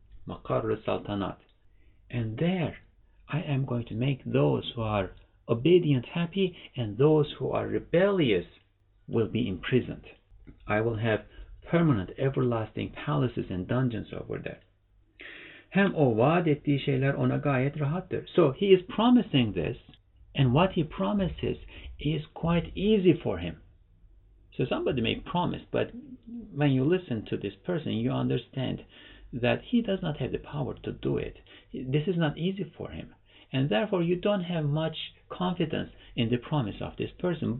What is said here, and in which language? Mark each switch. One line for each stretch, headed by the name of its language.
English: Makarr-ı saltanat. And there I am going to make those who are obedient happy and those who are rebellious will be imprisoned. I will have permanent everlasting palaces and dungeons over there.
Turkish: Hem o vaat ettiği şeyler ona gayet rahattır.
English: So he is promising this, and what he promises is quite easy for him. So somebody may promise, but when you listen to this person, you understand that he does not have the power to do it. This is not easy for him. And therefore, you don't have much confidence in the promise of this person.